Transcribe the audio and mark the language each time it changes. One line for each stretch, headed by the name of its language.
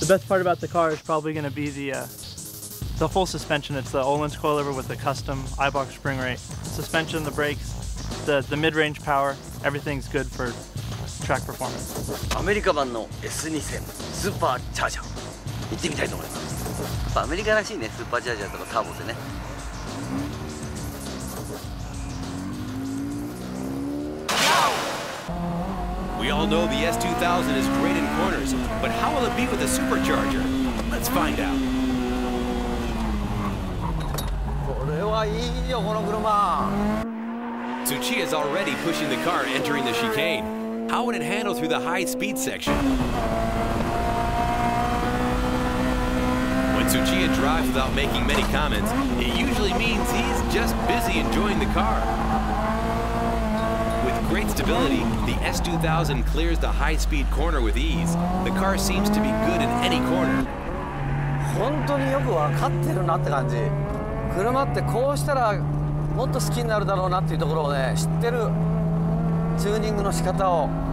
English: The best part about the car is probably going to be the full suspension. It's the Ohlins coilover with the custom iBox spring rate. Suspension, the brakes, the mid-range power, everything's good for track performance.
Japanese: America 版の S2000 Supercharger. 行ってみたいと思います。やっぱアメリカらしいね、スーパーチャージャーとかターボでね。
English: We all know the S2000 is great in corners, but how will it be with a supercharger? Let's find out.
Japanese: これはいいよ、この車。
English: Tsuchiya is already pushing the car entering the chicane. How would it handle through the high speed section? Tsuchiya drives without making many comments. It usually means he's just busy enjoying the car. With great stability, the S2000 clears the high-speed corner with ease. The car seems to be good in any corner.
Japanese: 本当によく分かってるなって感じ。車ってこうしたらもっと好きになるだろうなっていうところをね、知ってるチューニングの仕方を。